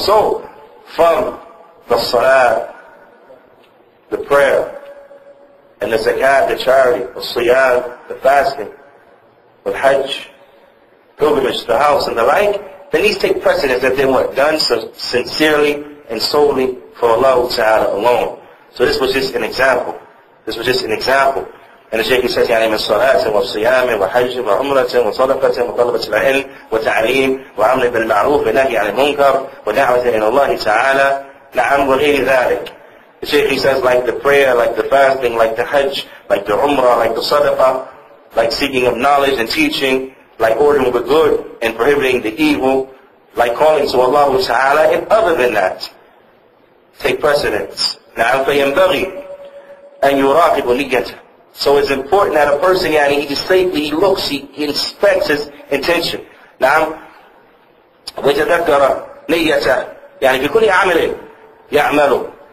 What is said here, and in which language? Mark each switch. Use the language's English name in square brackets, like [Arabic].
[English] So, from the salah, the prayer, and the zakat, the charity, the siyam, the fasting, the hajj, pilgrimage, the house, and the like, then these take precedence that they were done so sincerely and solely for Allah Ta'ala alone. So this was just an example. This was just an example. And the Shaykh says, [Arabic] يعني من صلاة وصيام وحج وعمرة وصدقة وطلبة العلم وتعليم وعمل بالمعروف ونهي عن المنكر ودعوة إلى الله تعالى نعم وغير ذلك. [English] The Shaykh says, like the prayer, like the fasting, like the hajj, like the umrah, like the sadaqah, like seeking of knowledge and teaching, like ordering the good and prohibiting the evil, like calling to Allah Ta'ala, and other than that, take precedence. [Arabic] نعم فينبغي أن يراقب نيته. [English] So it's important that a person, يعني, he inspects his intention. [Arabic] نعم ويتذكر نيته يعني بكل عمل يعمله.